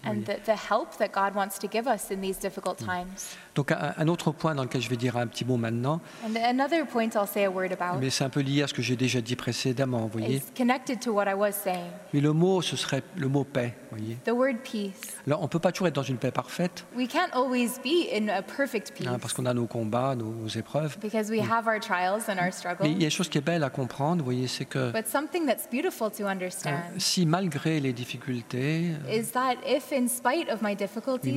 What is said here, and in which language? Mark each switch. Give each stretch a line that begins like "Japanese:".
English: And oui. the help that God wants to give us in these difficult times.
French: Donc un autre point dans lequel je vais dire un petit mot maintenant.
English: And another point I'll say a word about.
French: Mais c'est un peu lié à ce que j'ai déjà dit précédemment, vous voyez.
English: It's connected to what I was saying.
French: Mais le mot, ce serait le mot paix, vous voyez.
English: The word peace.
French: Alors, on peut pas toujours être dans une paix parfaite.
English: We can't always be in a perfect peace.
French: Hein, parce qu'on a nos combats. Nos épreuves.
English: Because we have our trials and our struggles.
French: Mais il y a une chose qui est belle à comprendre, vous voyez, c'est que
English: but something that's beautiful to understand,
French: si malgré les difficultés,
English: is that if in spite of my difficulties,